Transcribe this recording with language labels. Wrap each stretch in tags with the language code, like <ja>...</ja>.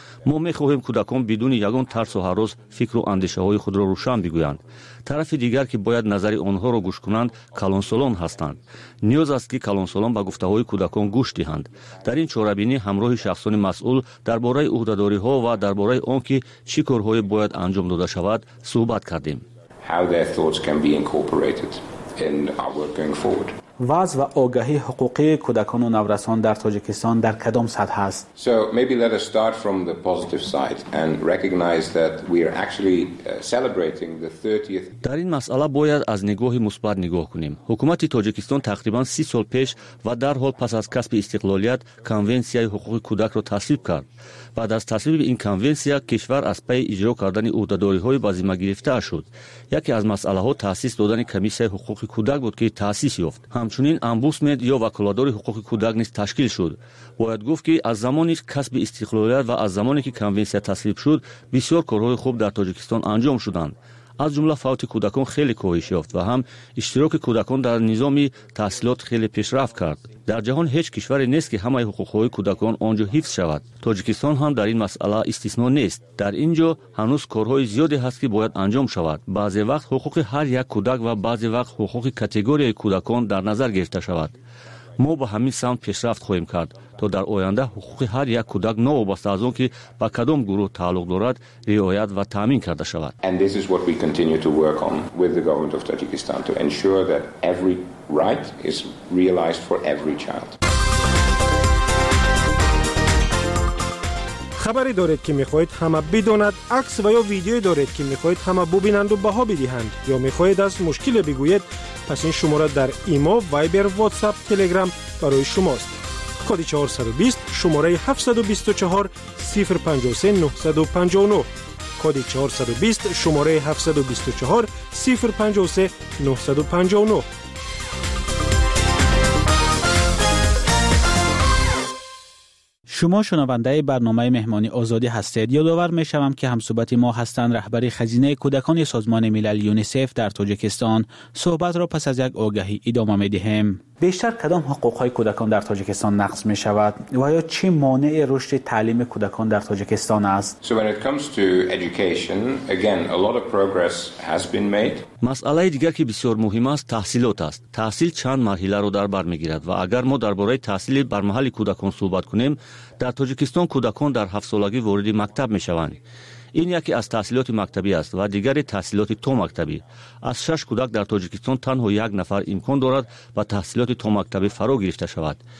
<fa>ما میخواهیم کودکان بدون یگان ترس و هراس فکر و اندیشه های خود را روشن بگویند. طرف دیگر که باید نظری آنها را گوش کنند کلانسولان هستند. نیاز است که کلانسولان به گفته های کودکان گوش دهند. در این چهارابینی همراه شخصان مسئول درباره عهده‌داری ها و درباره آن که چه کارهایی باید انجام داده شود صحبت کردیم.</fa> <en>How their thoughts can be incorporated in our work going forward.</en> <fa>وضع و آگاهی حقوقی کودکان و نورسان در تاجیکستان در کدام سطح است؟</fa> <en>So maybe let us start from the positive side and recognize that we are actually celebrating the 30th.</en> <fa>در این مسئله باید از نگاه مثبت نگاه کنیم. حکومت تاجیکستان تقریبا 30 سال پیش و در حال پس از کسب استقلالیت کنونسیای حقوق کودک را تصویب کرد. بعد از تصویب این کنونسیا کشور از پی اجرا کردن عهده‌داری های به ذمه گرفته شد. یکی از مسئله ها تاسیس دادن کمیسیای حقوق کودک بود که تاسیس یافت. همچنین امبوسمند یا وکالت‌دار حقوق کودک نیز تشکیل شد. باید گفت که از زمانی کسب استقلالیت و از زمانی که کنونسیا تصویب شد بسیار کارهای خوب در تاجیکستان انجام شدند. از جمله فوت کودکان خیلی کاهش یافت و هم اشتراک کودکان در نظام تحصیلات خیلی پیشرفت کرد. در جهان هیچ کشوری نیست که همه حقوق های کودکان آنجا حفظ شود. تاجیکستان هم در این مسئله استثنا نیست. در اینجا هنوز کارهای زیادی هست که باید انجام شود. بعضی وقت حقوق هر یک کودک و بعضی وقت حقوق کاتگوری کودکان در نظر گرفته شود. ما به همین سمت پیشرفت خواهیم کرد تا در آینده حقوق هر یک کودک نو وابسته از آن که با کدام گروه تعلق دارد رعایت و تامین کرده شود.</fa> <en>And this is what we continue to work on with the government of Tajikistan to ensure that every right is realized for every child.</en> <fa>خبری دارید که میخواهید همه بدانند؟ عکس و یا ویدیوی دارید که میخواهید همه ببینند و بها بدهند؟ یا میخواهید از مشکل بگویید؟ پس این شماره در ایمو، وایبر، واتساپ، تلگرام برای شماست. کد 420 شماره 724 053 959. کد 420 شماره 724 053 959. شما شنونده برنامه مهمانی آزادی هستید. یادآور می شوم که همصحبت ما هستند رهبر خزینه کودکان سازمان ملل یونیسف در تاجیکستان. صحبت را پس از یک آگهی ادامه می دهیم. بیشتر کدام حقوق های کودکان در تاجیکستان نقض می شود و یا چه مانع رشد تعلیم کودکان در تاجیکستان است؟</fa> <en>So when it comes to education, again, a lot of progress has been made.</en> <fa>مسئله دیگر که بسیار مهم است تحصیلات است. تحصیل چند مرحله را در بر می گیرد و اگر ما درباره تحصیل بر محل کودکان صحبت کنیم، در تاجیکستان کودکان در 7 سالگی وارد مکتب می شوند. این یکی از تحصیلات مکتبی است و دیگری تحصیلات تو مکتبی. از 6 کودک در تاجیکستان تنها یک نفر امکان دارد و تحصیلات تو مکتبی فرا گرفته شود.</fa>